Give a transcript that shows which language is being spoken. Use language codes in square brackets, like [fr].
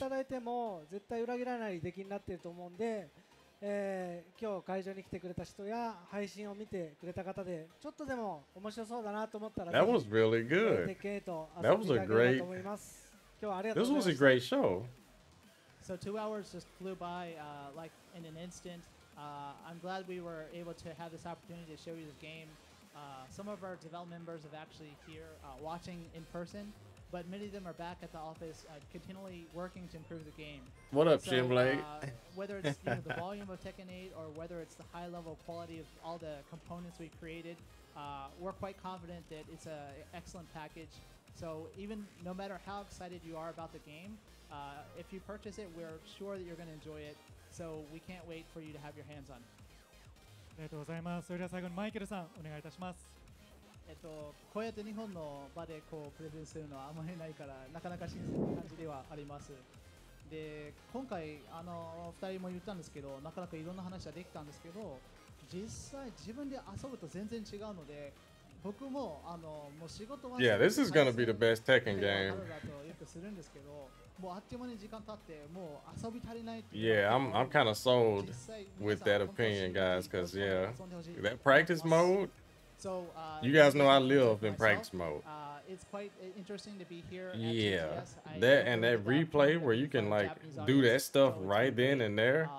[ja] 期待していただいても絶対裏切らない出来になっていると思うんで、今日会場に来てくれた人や配信を見てくれた方でちょっとでも面白そうだなと思ったら [en] That was really good. [ja] テッケン8遊びに行きたいなと思います。 [en] That was a great [ja] 今日はありがとうございました [en] 。 This was a great show. So 2 hours just flew by like in an instant. I'm glad we were able to have this opportunity to show you this game. Some of our development members are actually here watching in person, but many of them are back at the office continually working to improve the game. What up, Jim Lake? Whether it's you know, the volume of Tekken 8 or whether it's the high level quality of all the components we created, we're quite confident that it's an excellent package. So even no matter how excited you are about the game, if you purchase it, we're sure that you're going to enjoy it. So we can't wait for you to have your hands on it. [ja] ありがとうございます。それでは最後にマイケルさんお願いいたします。こうやって日本の場でこうプレゼンするのはあまりないからなかなか新鮮な感じではあります。で、今回2人も言ったんですけど、なかなかいろんな話ができたんですけど、実際自分で遊ぶと全然違うので、僕ももう仕事は [en] Yeah, this is gonna be the best Tekken game. [ja] とよくするんですけど。もうあっという間に時間経ってもう遊び足りない。 [en] Yeah, I'm kind of sold with that opinion, guys, because yeah, that practice mode. So, you guys know I live in practice mode. It's quite interesting to be here. Yeah, that and that replay where you can like do that stuff right then and there.